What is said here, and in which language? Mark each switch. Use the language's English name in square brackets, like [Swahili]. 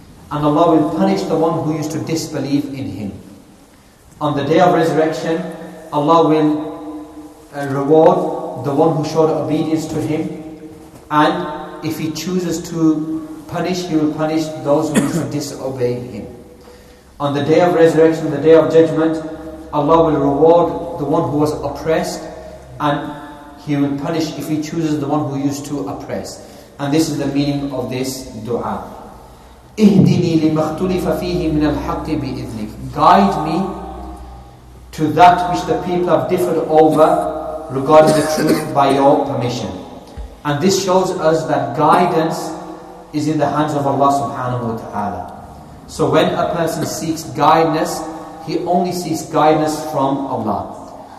[English] And Allah will punish the one who used to disbelieve in Him. On the day of resurrection, Allah will reward the one who showed obedience to Him, and if He chooses to punish, He will punish those who disobey Him. On the day of resurrection, the day of judgment, Allah will reward the one who was oppressed, and He will punish if He chooses the one who used to oppress. And this is the meaning of this dua. [Arabic] اهدني لمختلف فيه من الحق بإذنك. [English] Guide me to that which the people have differed over regarding the truth by Your permission. And this shows us that guidance is in the hands of Allah subhanahu wa ta'ala. So when a person seeks guidance, he only seeks guidance from Allah.